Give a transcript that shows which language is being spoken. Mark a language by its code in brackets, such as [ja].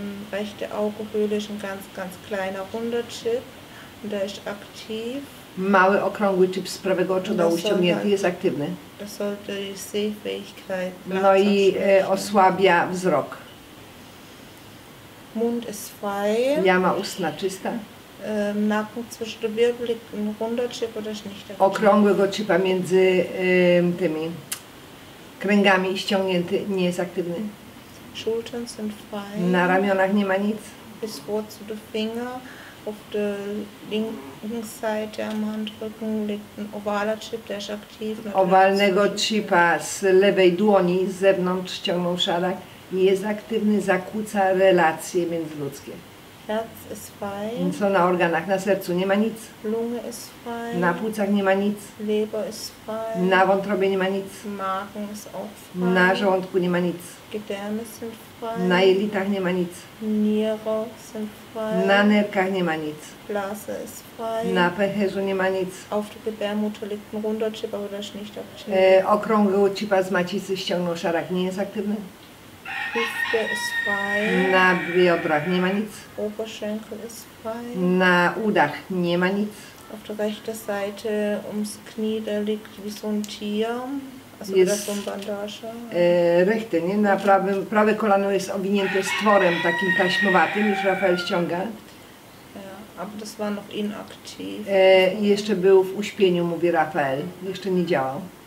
[de] Rechte Augehöhle ist ein ganz, ganz kleiner runder Chip, der ist aktiv. [pl] Mały okrągły chip z prawego oczu dołu ściągnięty, jest aktywny. [de] Das sollte die Sehfähigkeit. [pl] No i osłabia wzrok. [de] Mund ist frei. [pl] Jama ustna czysta. [de] Nacken zwischen den Wirbeln liegt ein runder Chip oder ist nicht aktiv. [pl] Okrągłego chipa między tymi kręgami ściągnięty, nie jest aktywny. [de] Schultern sind frei. [pl] Na ramionach nie ma nic. [de] Bis vor zu den Finger. Auf der linken Seite am Handrücken liegt ein ovaler Chip, der ist aktiv. [pl] Owalnego chipa z lewej dłoni z zewnątrz ściągnął szalak i jest aktywny, zakłóca relacje międzyludzkie. [de] Herz ist frei. [pl] Co na organach, na sercu nie ma nic. [de] Lunge ist frei. [pl] Na płucach nie ma nic. [de] Leber ist frei. [pl] Na wątrobie nie ma nic. [de] Magen ist auch frei. [pl] Na żołądku nie ma nic. [de] Gedärme sind frei. [pl] Na jelitach nie ma nic. [de] Niere sind frei. [pl] Na nerkach nie ma nic. [de] Blase ist frei. [pl] Na pęcherzu nie ma nic. [de] Auf der Gebärmutter liegt ein runder Chip, aber das ist nicht aktiv. [pl] Okrągły chipa z macicy ściągnął szarak, nie jest aktywny. [de] Hüfte ist frei. [pl] Na biodrach nie ma nic. [de] Oberschenkel ist frei. [pl] Na udach nie ma nic. [de] Auf der rechten Seite ums Knie, da liegt wie so ein Tier. Also jest, oder so ein Bandage. Rechte, nie? [pl] Na prawym, prawe kolano jest owinięte stworem takim taśmowatym, już Rafael ściąga. [de] Ja, aber das war noch inaktiv. [pl] Jeszcze był w uśpieniu, mówi Rafael. Jeszcze nie działał.